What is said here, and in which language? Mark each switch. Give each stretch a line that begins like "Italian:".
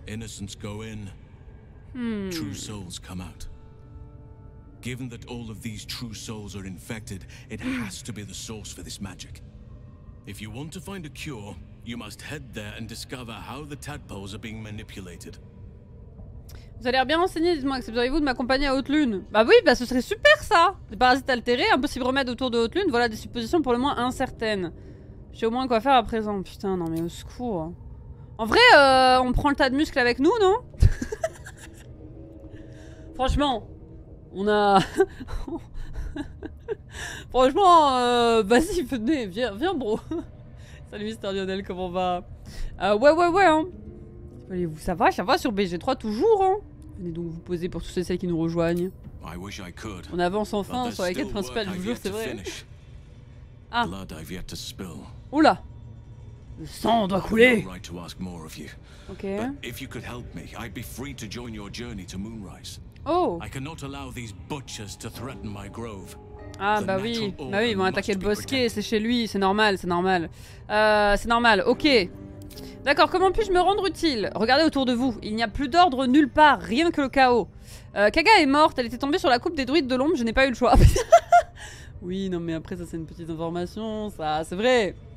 English: Innocents go in, true souls come out. Given that all of these true souls are infected, it has to be the source for this magic. If you want to find a cure, you must head there and discover how the tadpoles are being manipulated.
French: Vous avez l'air bien renseigné, dites-moi, accepteriez-vous de m'accompagner à Haute Lune? Bah oui, bah ce serait super ça! Des parasites altérés, impossible remède autour de Haute Lune, voilà des suppositions pour le moins incertaines. J'ai au moins quoi faire à présent, putain, non mais au secours. En vrai, on prend le tas de muscles avec nous, non? Franchement, on a... Franchement, vas-y, venez, viens bro. Salut Mister Lionel, comment va? Ouais, hein. Ça va sur BG3 toujours, hein? Venez donc vous poser pour tous ceux et celles qui nous rejoignent. On avance enfin sur la quête principale, je vous jure, c'est vrai. Ah! Oula! Le sang doit couler! Ok.
English: If you could help me, I'd be free to join your journey to Moonrise. Oh! I cannot allow these butchers to threaten my grove.
French: Ah bah oui, ils vont attaquer le bosquet, c'est chez lui, c'est normal. C'est normal, ok. D'accord, comment puis-je me rendre utile? Regardez autour de vous, il n'y a plus d'ordre nulle part, rien que le chaos. Kaga est morte, elle était tombée sur la coupe des druides de l'ombre, je n'ai pas eu le choix. Oui, non mais après ça c'est une petite information, ça c'est vrai.